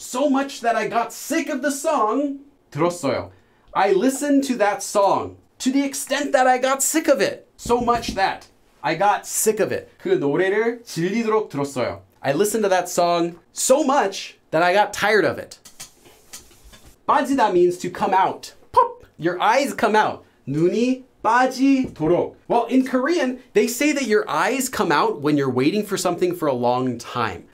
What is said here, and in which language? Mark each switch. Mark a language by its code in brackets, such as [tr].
[en] So much that I got sick of the song. [ko] 들었어요. [en] I listened to that song. To the extent that I got sick of it. So much that I got sick of it. [ko] 그 노래를 질리도록 들었어요. [en] I listened to that song so much that I got tired of it. [ko] 빠지다 [en] means to come out. Pop! Your eyes come out. [ko] 눈이 빠지도록. [en] Well, in Korean, they say that your eyes come out when you're waiting for something for a long time.